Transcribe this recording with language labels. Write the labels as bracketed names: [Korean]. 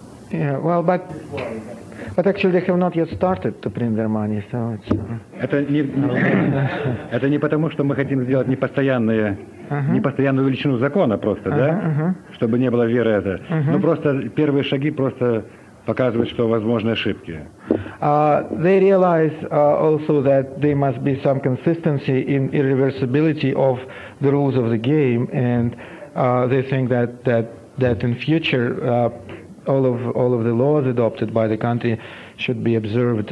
[English] Yeah, well, but actually they have not yet started to print their money, so it's... [Russian] Это не потому, что мы хотим сделать непостоянную величину закона просто, да? Чтобы не было веры это. Но просто первые шаги просто показывают, что возможны ошибки. [English] They realize also that there must be some consistency in irreversibility of the rules of the game, and they think that that in future all of the laws adopted by the country should be observed.